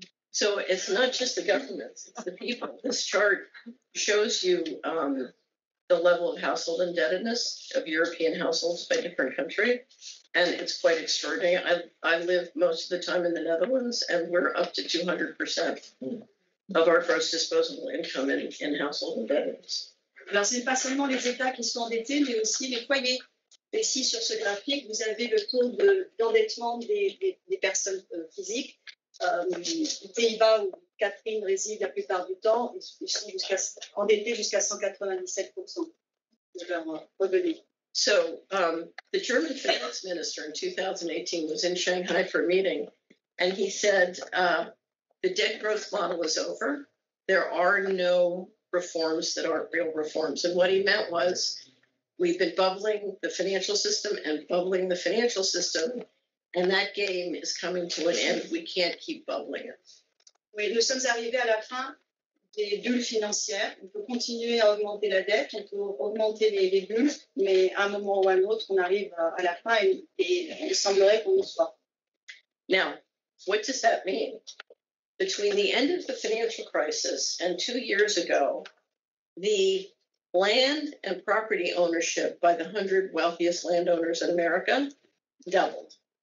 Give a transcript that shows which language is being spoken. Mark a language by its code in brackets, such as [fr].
[en] So it's not just the government, it's the people. This chart shows you the level of household indebtedness of European households by different country. And it's quite extraordinary. I live most of the time in the Netherlands and we're up to 200%. Of our gross disposable income in household indebtedness. [fr] Alors, ce n'est pas seulement les États qui sont endettés, mais aussi les foyers. Ici, sur ce graphique, vous avez le taux d'endettement des personnes physiques. Pays-Bas, où Catherine réside la plupart du temps, ils sont endettés jusqu'à 197% de leurs revenus. [en] So, the German finance minister in 2018 was in Shanghai for a meeting, and he said, the debt growth model is over. There are no reforms that aren't real reforms. And what he meant was, we've been bubbling the financial system and bubbling the financial system, and that game is coming to an end. We can't keep bubbling it. [fr] Oui, nous sommes arrivés à la fin des bulles financières. On peut continuer à augmenter la dette, on peut augmenter les bulles, mais à un moment ou à un autre, on arrive à la fin et il semblerait qu'on y soit. [en] Now, what does that mean? Between the end of the financial crisis and 2 years ago, the land and property ownership by the 100 wealthiest landowners in America doubled.